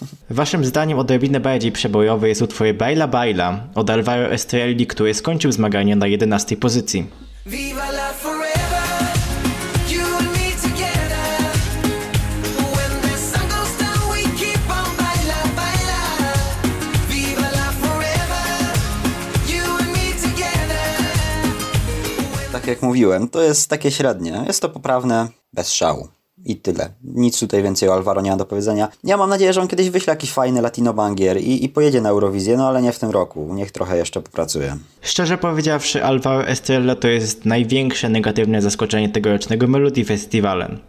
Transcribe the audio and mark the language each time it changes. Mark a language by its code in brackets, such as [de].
[pl] Waszym zdaniem odrobinę bardziej przebojowy jest utwór Baila Baila od Alvaro Estrelli, który skończył zmaganie na 11. pozycji. [en] Viva la forever, you and me together. When the sun goes down, we keep on baila baila. Viva la forever, you and me together. [pl] Tak jak mówiłem, to jest takie średnie. Jest to poprawne, bez szału. I tyle. Nic tutaj więcej o Alvaro nie mam do powiedzenia. Ja mam nadzieję, że on kiedyś wyśle jakiś fajny latino bangier i pojedzie na Eurowizję, no ale nie w tym roku. Niech trochę jeszcze popracuje. Szczerze powiedziawszy, Alvaro Estrella to jest największe negatywne zaskoczenie tegorocznego Melody Festivalen.